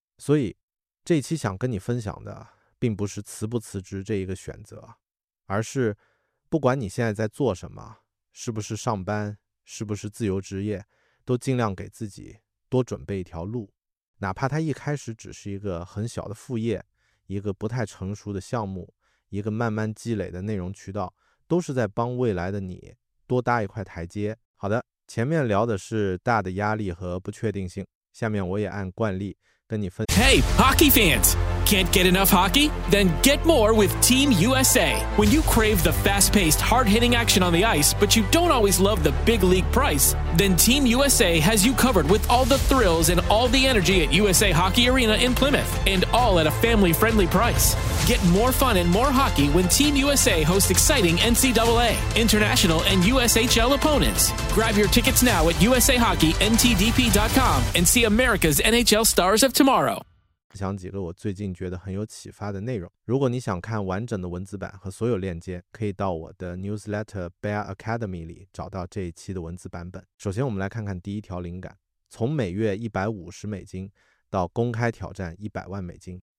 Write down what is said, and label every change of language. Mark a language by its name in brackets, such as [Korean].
[Chinese] 所以这一期想跟你分享的并不是辞不辞职这一个选择，而是不管你现在在做什么，是不是上班，是不是自由职业，都尽量给自己多准备一条路，哪怕它一开始只是一个很小的副业，一个不太成熟的项目，一个慢慢积累的内容渠道，都是在帮未来的你多搭一块台阶。好的，前面聊的是大的压力和不确定性，下面我也按惯例跟你分。 [English] Hey, hockey fans! Can't get enough hockey? Then get more with Team USA. When you crave the fast-paced, hard-hitting action on the ice, but you don't always love the big league price, then Team USA has you covered with all the thrills and all the energy at USA Hockey Arena in Plymouth, and all at a family-friendly price. Get more fun and more hockey when Team USA hosts exciting NCAA, international, and USHL opponents. Grab your tickets now at USAHockeyNTDP.com and see America's NHL stars of tomorrow. [Chinese] 分享几个我最近觉得很有启发的内容。如果你想看完整的文字版和所有链接，可以到我的 newsletter Bear Academy 里找到这一期的文字版本。首先我们来看看第一条灵感，从每月150美金到公开挑战100万美金。